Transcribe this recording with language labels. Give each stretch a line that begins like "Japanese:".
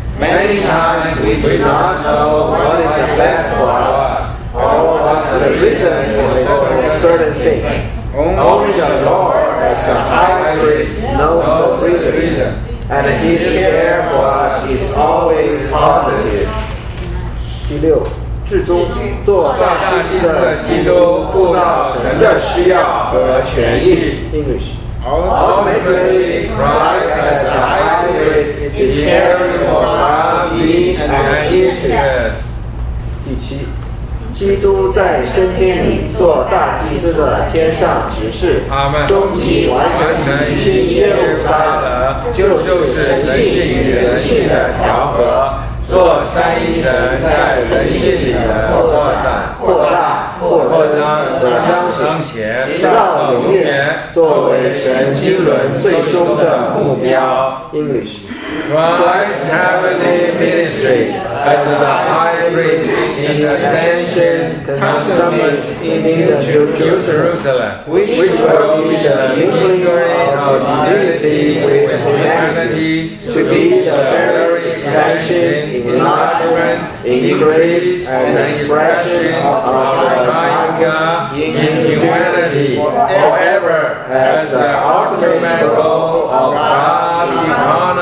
English: Many times we do not know what is the best for us, or what the reason for certain things. Only the Lord as a high priest knows the reason, and his care for us is always positive.
Chinese: 第六，至终做大祭司的基督顾到神的需要和权益。
English: English. Ultimately, Christ as a high priest is caring for our need and interest.
Chinese: 第七，基督在升天里做大祭司的天上执事，终极完成一切耶路撒冷，就是神性与人性的调和。做三一神在人性里的扩展、扩大、扩张和彰显，直到永远，作为神经纶最终的目标。
English: English. Christ's heavenly ministry as the high priest in the ascension consummates in New Jerusalem, which will be the mingling of divinity with humanity to be the bearer extension, enlargement, increase, and expression of our divine God in humanity forever as the ultimate goal of God's economy.